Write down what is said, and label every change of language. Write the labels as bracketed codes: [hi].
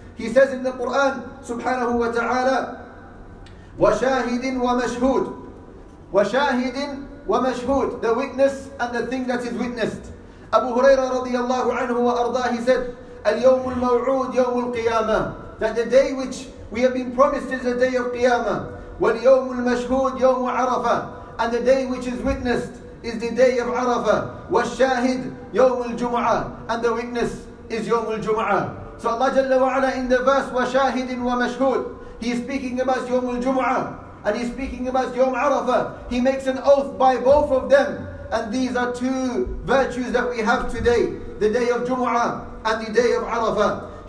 [en] He says in the Quran subhanahu wa ta'ala, [ar] وَشَاهِدٍ وَمَشْهُودٍ, وَشَاهِدٍ وَمَشْهُودٍ, [en] the witness and the thing that is witnessed. Abu Huraira radiallahu anhu wa arda, he said, [ar] الْيَوْمُ الْمَوْعُودِ يَوْمُ الْقِيَامَةِ, [en] that the day which we have been promised is the day of Qiyamah. [ar] وَالْيَوْمُ الْمَشْهُودِ يَوْمُ عَرَفَةِ, [en] and the day which is witnessed is the day of Arafah. [ar] وَالشَّاهِدِ يَوْمُ الْجُمُعَةِ, [en] and the witness is [ar] يَوْمُ الْجُمُعَةِ. [en] So Allah Jalla wa Ala in the verse, [ar] وَشَاهِدٍ وَمَشْهُودٍ, [en] He is speaking about Yawm al-Jumu'ah, and He is speaking about Yawm Arafah. He makes an oath by both of them And these are two virtues that we have today, the day of Jumu'ah and the day of Arafah.